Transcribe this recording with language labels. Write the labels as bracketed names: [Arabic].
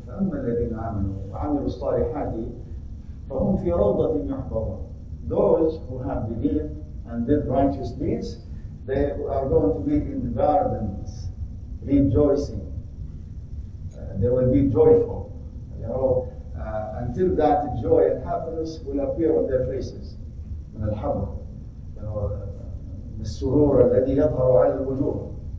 [Arabic] فأما الذين آمنوا وعملوا الصالحات فهم في روضة يحبرون. [English] Those who have believed and did righteous deeds, they are going to be in gardens rejoicing. They will be joyful. You know, until that joy and happiness will appear on their faces. [Arabic] من الحبر. [English] You know, [Arabic] السرور الذي يظهر على الوجوه.